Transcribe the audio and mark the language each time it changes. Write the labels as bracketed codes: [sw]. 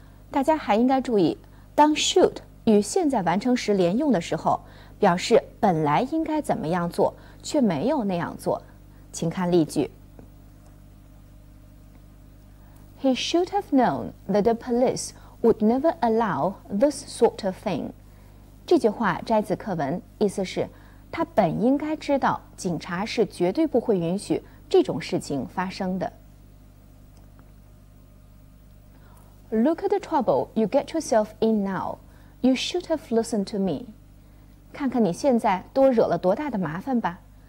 [zh] 大家还应该注意，当 should 与现在完成时连用的时候，表示本来应该怎么样做却没有那样做，请看例句。 [en] He should have known that the police would never allow this sort of thing. [zh] 这句话摘自课文，意思是他本应该知道警察是绝对不会允许这种事情发生的。 [en] Look at the trouble you get yourself in now. You should have listened to me. [zh] 看看你现在多惹了多大的麻烦吧。